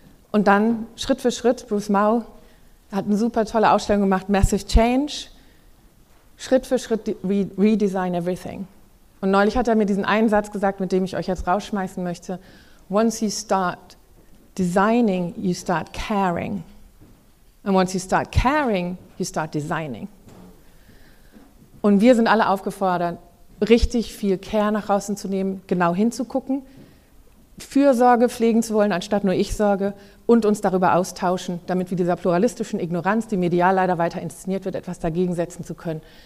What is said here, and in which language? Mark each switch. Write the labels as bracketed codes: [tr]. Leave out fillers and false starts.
[de] Und dann Schritt für Schritt, Bruce Mau hat eine super tolle Ausstellung gemacht, Massive Change, Schritt für Schritt [en] redesign everything. [de] Und neulich hat er mir diesen einen Satz gesagt, mit dem ich euch jetzt rausschmeißen möchte. [en] Once you start designing, you start caring. And once you start caring, you start designing. [de] Und wir sind alle aufgefordert, richtig viel Care nach außen zu nehmen, genau hinzugucken, Fürsorge pflegen zu wollen, anstatt nur Ich-Sorge, und uns darüber austauschen, damit wir dieser pluralistischen Ignoranz, die medial leider weiter inszeniert wird, etwas dagegen setzen zu können.